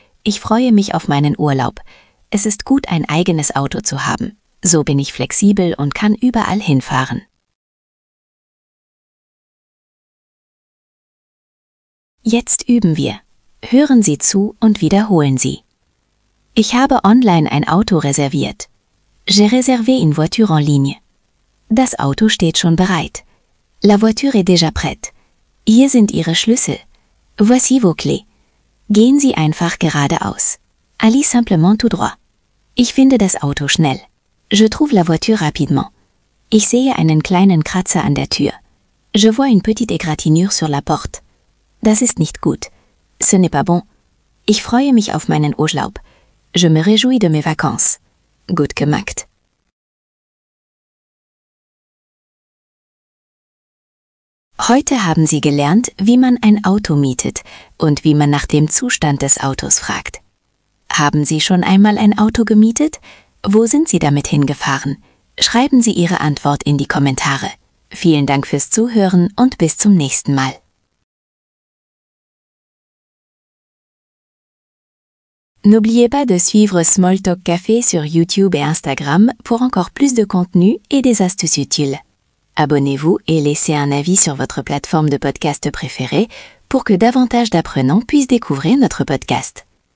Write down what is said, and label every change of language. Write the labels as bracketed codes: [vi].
[de] Ich freue mich auf meinen Urlaub. Es ist gut, ein eigenes Auto zu haben. So bin ich flexibel und kann überall hinfahren. Jetzt üben wir. Hören Sie zu und wiederholen Sie. Ich habe online ein Auto reserviert. [fr] J'ai réservé une voiture en ligne. [de] Das Auto steht schon bereit. [fr] La voiture est déjà prête. [de] Hier sind Ihre Schlüssel. [fr] Voici vos clés. [de] Gehen Sie einfach geradeaus. [fr] Allez simplement tout droit. [de] Ich finde das Auto schnell. [fr] Je trouve la voiture rapidement. [de] Ich sehe einen kleinen Kratzer an der Tür. [fr] Je vois une petite égratignure sur la porte. [de] Das ist nicht gut. [fr] Ce n'est pas bon. [de] Ich freue mich auf meinen Urlaub. [fr] Je me réjouis de mes vacances. [de] Gut gemacht. Heute haben Sie gelernt, wie man ein Auto mietet und wie man nach dem Zustand des Autos fragt. Haben Sie schon einmal ein Auto gemietet? Wo sind Sie damit hingefahren? Schreiben Sie Ihre Antwort in die Kommentare. Vielen Dank fürs Zuhören und bis zum nächsten Mal. [fr] N'oubliez pas de suivre Small Talk Café sur YouTube et Instagram pour encore plus de contenu et des astuces utiles. Abonnez-vous et laissez un avis sur votre plateforme de podcast préférée pour que davantage d'apprenants puissent découvrir notre podcast.